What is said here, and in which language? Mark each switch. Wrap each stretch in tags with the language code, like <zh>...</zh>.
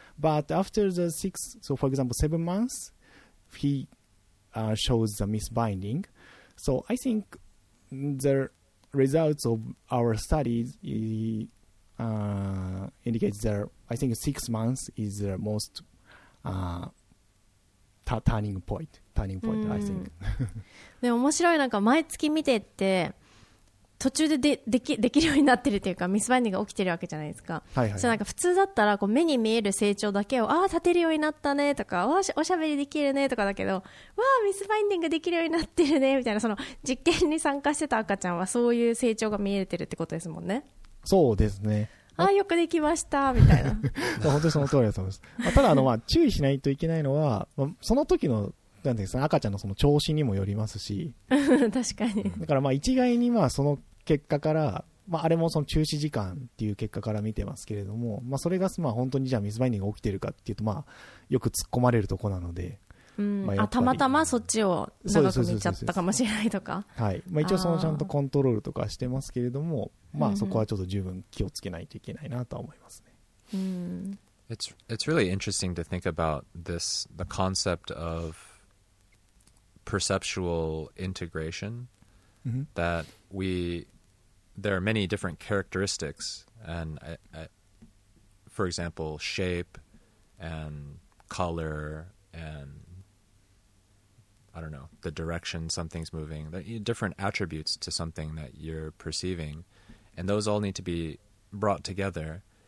<en>But after the 7 months, he shows the misbinding. So I think the results of our studies indicate that I think 6 months is the most turning point, I think.</en> <ja>でも面白い、なんか毎月見てって途中で できるようになってるというか、ミスバインディングが起きてるわけじゃないですか。はいはい、そう、なんか普通だったらこう目に見える成長だけを、ああ立てるようになったねとか、おしゃべりできるねとかだけど、わあミスバインディングができるようになってるねみたいな、その実験に参加してた赤ちゃんはそういう成長が見えてるってことですもんね。そうですね。ああよくできましたみたいな。本当にその通りだと思います。まあ、ただあの、まあ注意しないといけないのは、まあ、その時のなんていうんですか、赤ちゃん の, その調子にもよりますし。確かに。だからまあ一概にまあその結果から、まあ、あれもその中止時間っていう結果から見てますけれども、まあ、それがまあ本当にじゃあミスバインディングが起きてるかっていうと、まあよく突っ込まれるとこなので、うん、まあ、あたまたまそっちを長く見ちゃったかもしれないとか、はい、まあ、一応そのちゃんとコントロールとかしてますけれども、あ、まあ、そこはちょっと十分気をつけないといけないなと思いますね。</ja> <en>It's really interesting to think about this, the concept of perceptual integration、 mm-hmm. that weThere are many different characteristics, and for example, shape and color and, I don't know, the direction something's moving, different attributes to something that you're perceiving, and those all need to be brought together.</en>